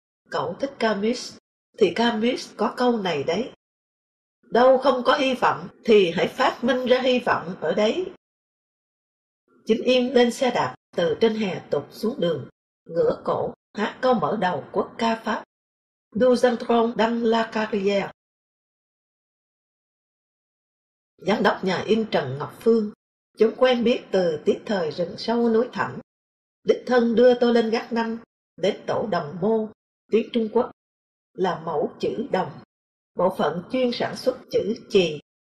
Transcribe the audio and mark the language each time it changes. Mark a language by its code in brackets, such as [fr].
[vi] Cậu thích Camus, thì Camus có câu này đấy. Đâu không có hy vọng, thì hãy phát minh ra hy vọng ở đấy. Chính Yên lên xe đạp, từ trên hè tụt xuống đường, ngửa cổ, hát câu mở đầu quốc ca Pháp. [fr] Nous entrons dans la carrière. [vi] Giám đốc nhà in Trần Ngọc Phương, chúng quen biết từ tiết thời rừng sâu núi thẳm, đích thân đưa tôi lên gác năm, đến tổ đồng mô, tiếng Trung Quốc, là mẫu chữ đồng, bộ phận chuyên sản xuất chữ chì.